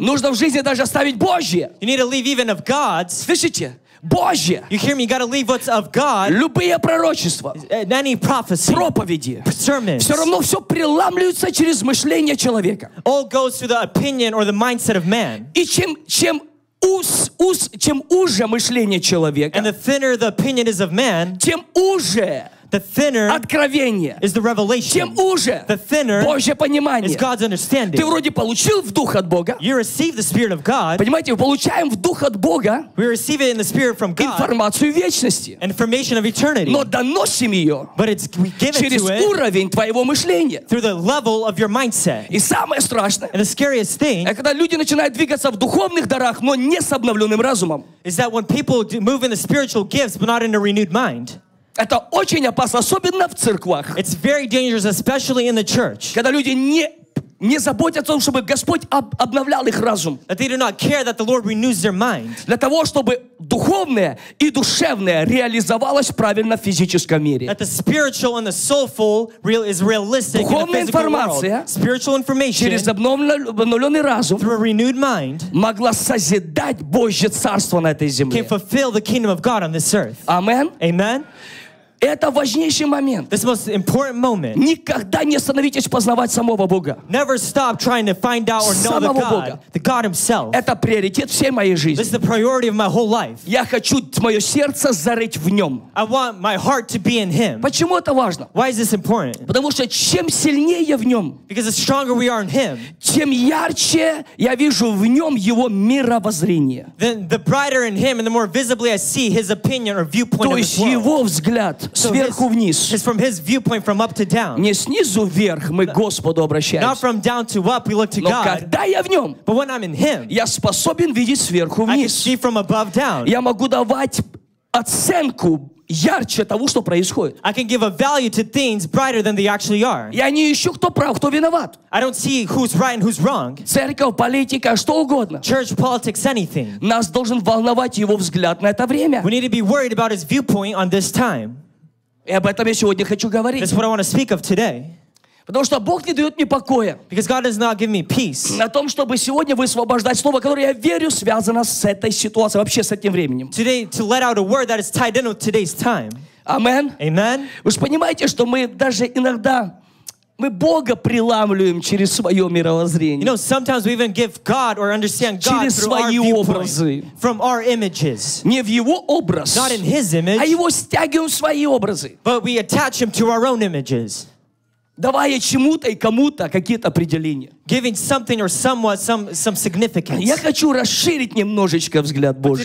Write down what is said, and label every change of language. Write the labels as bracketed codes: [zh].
[ru] нужно в жизни даже оставить Божье. [en] You need to leave even of God's. [ru] Слышите? Божье. [en] You hear me? You got to leave what's of God. [ru] Любые пророчества. [en] Any prophecy. [ru] Проповеди. [en] Sermons. [ru] Все равно все преломляется через мышление человека. [en] All goes through the opinion or the mindset of man. [ru] И чем чем уже мышление человека. [en] And the thinner the opinion is of man. [ru] Тем уже. [en] The thinner [ru] откровение, [en] is the revelation. The thinner is God's understanding. You receive the Spirit of God. We receive it in the Spirit from God. Information of eternity. But it's, we give it to it through the level of your mindset. [ru] Страшное, [en] and the scariest thing [ru] дарах, [en] is that when people move in the spiritual gifts but not in a renewed mind. [ru] Это очень опасно, особенно в церквах. [en] It's very dangerous, especially in the church. [ru] Когда люди не заботятся о том, чтобы Господь обновлял их разум. [en] That they do not care that the Lord renews their mind. [ru] Для того, чтобы духовное и душевное реализовалось правильно в физическом мире. [en] That the spiritual and the soulful real is realistic [ru] духовная [en] in the physical world. Spiritual information [ru] через обновленный разум [en] through a renewed mind [ru] могла созидать Божье царство на этой земле. [en] Can fulfill the kingdom of God on this earth. Amen. Amen. [ru] Это важнейший момент. [en] This most important moment. [ru] Никогда не остановитесь познавать самого Бога. [en] Never stop trying to find out or know [ru] самого [en] the God. [ru] Бога. [en] The God himself. [ru] Это приоритет всей моей жизни. [en] This is the priority of my whole life. [ru] Я хочу мое сердце зарыть в нем. [en] I want my heart to be in him. [ru] Почему это важно? [en] Why is this important? [ru] Потому что чем сильнее в нем, [en] because the stronger we are in him, [ru] тем ярче я вижу в нем его мировоззрение. [en] Then the brighter in him and the more visibly I see his opinion or viewpoint of the world. [ru] То есть его взгляд сверху вниз. [en] It's from his viewpoint from up to down. [ru] Не снизу вверх мы к Господу обращаемся. [en] Not from down to up we look to [ru] God. Но когда я в нем, [en] but when I'm in him, [ru] я способен видеть сверху вниз. [en] I can see from above down. [ru] Я могу давать оценку ярче того, что происходит. [en] I can give a value to things brighter than they actually are. [ru] Я не ищу, кто прав, кто виноват. [en] I don't see who's right and who's wrong. [ru] Церковь, политика, что угодно. [en] Church, politics, anything. [ru] Нас должен волновать его взгляд на это время. [en] We need to be worried about his viewpoint on this time. [ru] И об этом я сегодня хочу говорить. [en] That's what I want to speak of today. [ru] Потому что Бог не дает мне покоя. [en] Because God does not give me peace. [ru] На том, чтобы сегодня высвобождать слово, которое я верю, связано с этой ситуацией, вообще с этим временем. [en] Today, to let out a word that is tied in with today's time. Amen. Amen. [ru] Вы же понимаете, что мы даже иногда мы Бога преломляем через свое мировоззрение. [en] You know, sometimes we even give God or understand God [ru] через свои образы. [en] From our images. [ru] Не в его образ. [en] Not in his image. [ru] А его стягиваем в свои образы. [en] But we attach him to our own images. [ru] Давая чему-то и кому-то какие-то определения. [en] Giving something or someone some significance. [ru] Я хочу расширить немножечко взгляд Божий.